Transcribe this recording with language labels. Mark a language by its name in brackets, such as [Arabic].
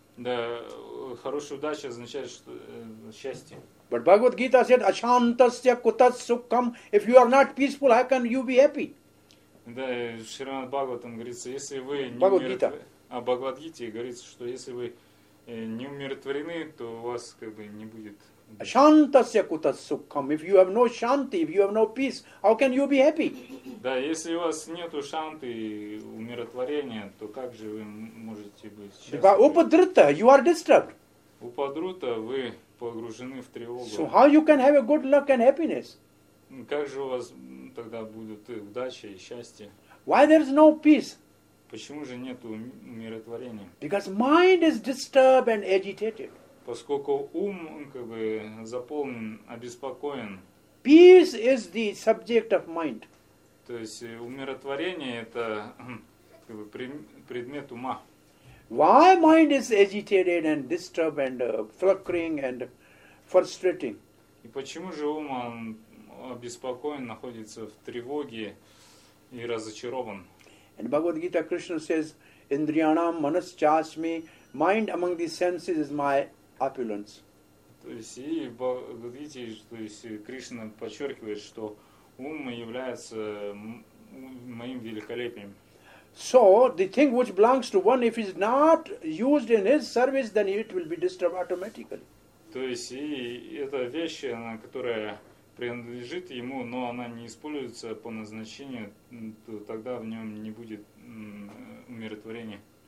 [Russian] Да, хорошая удача означает, что счастье. [English] But Bhagavad Gita said, [Sanskrit] Ashantasya kutas sukham. [English] If you are not peaceful, how can you be happy? [Russian] Да, Шримад Бхагаватам говорится, если вы не умиротворены. А Бхагавад Гите говорится, что если вы не умиротворены, то у вас как бы не будет. [Sanskrit] Ashantasya kutas sukham. [English] If you have no shanti, if you have no peace, how can you be happy? [Russian] Да, если у вас нету шанты и умиротворения, то как же вы можете быть счастливы? [English] Upadruta, you are disturbed. [Russian] Upadruta, вы погружены в тревогу. [English] So how you can have a good luck and happiness? [Russian] Как же у вас тогда будут и удача и счастье? [English] Why there is no peace? [Russian] Почему же нету умиротворения? [English] Because mind is disturbed and agitated. [Russian] Поскольку ум как бы заполнен, обеспокоен. [English] Peace is the subject of mind. [Russian] То есть умиротворение это как бы предмет ума. [English] Why mind is agitated and disturbed and flickering and frustrating? [Russian] И почему же ум он обеспокоен, находится в тревоге и разочарован? [English] And Bhagavad Gita Krishna says, [Sanskrit] Indriyanam manas chasmi, [English] mind among the senses is my opulence. [Russian] То есть и Bhagavad Gita, то есть Кришна подчеркивает, что ум является моим великолепием. [English] So the thing which belongs to one, if it is not used in his service, then it will be disturbed automatically. [Russian] То есть и эта вещь, она, которая принадлежит ему, но она не используется по назначению, то тогда в нем не будет умиротворения.